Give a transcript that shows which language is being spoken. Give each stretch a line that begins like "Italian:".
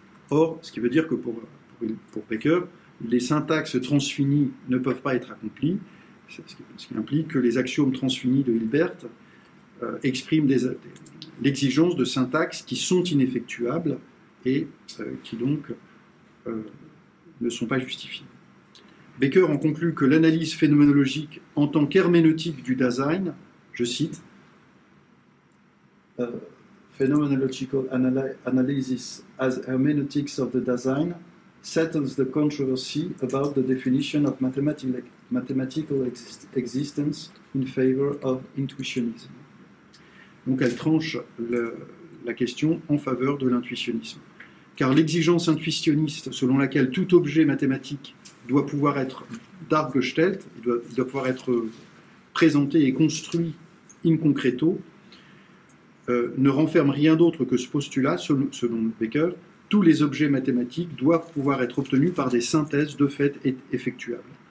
French: Or, ce qui veut dire que pour Baker, les syntaxes transfinies ne peuvent pas être accomplies, ce qui implique que les axiomes transfinis de Hilbert expriment l'exigence de syntaxes qui sont ineffectuables et qui donc ne sont pas justifiées. Baker en conclut que l'analyse phénoménologique en tant qu'herméneutique du Dasein, je cite,
English: Phenomenological analysis as hermeneutics of the Dasein settles the controversy about the definition of mathematical existence in favor of intuitionism.
French: Donc elle tranche la question en faveur de l'intuitionnisme. Car l'exigence intuitionniste selon laquelle tout objet mathématique doit pouvoir être dargestellt, doit pouvoir être présenté et construit in concreto, ne renferme rien d'autre que ce postulat, selon Baker, tous les objets mathématiques doivent pouvoir être obtenus par des synthèses de fait effectuables.